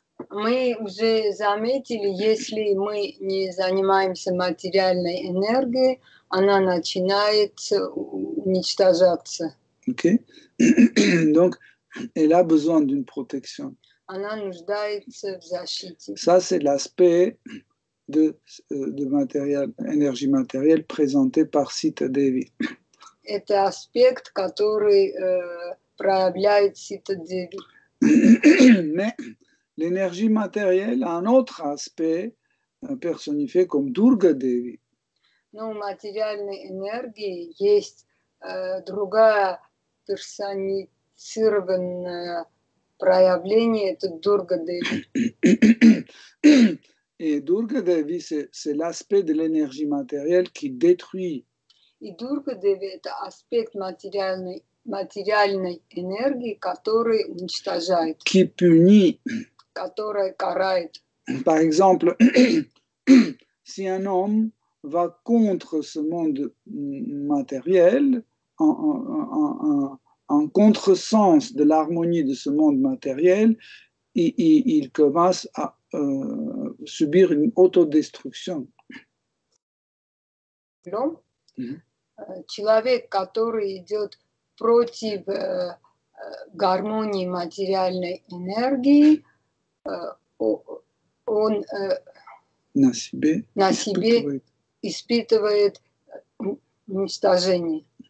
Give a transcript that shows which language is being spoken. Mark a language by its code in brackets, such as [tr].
[ru] Мы уже заметили, если мы не занимаемся материальной энергией, она начинает уничтожаться. [en] Okay. [fr] Donc, elle a besoin d'une protection. [ru] Она нуждается в защите. [fr] Ça, c'est l'aspect de matériel, énergie matérielle présentée par Sita Devi. [ru] Это аспект, который проявляет Сита Деви. [fr] Mais l'énergie matérielle a un autre aspect personnifié comme Durga Devi. [ru] Но у материальной энергии есть другая персонифицированное проявление, это Durga Devi. [fr] Et Durga Devi, c'est l'aspect de l'énergie matérielle qui détruit. Et Durga Devi, c'est l'aspect matérielle énergie qui [ru] уничтожает. [fr] Qui punit. [ru] Которая карает. [fr] Par exemple, si un homme va contre ce monde matériel, en contresens de l'harmonie de ce monde matériel, il commence à subir une autodestruction. Non. [ru] Человек, который идет против гармонии материальной энергии он на себе испытывает уничтожение.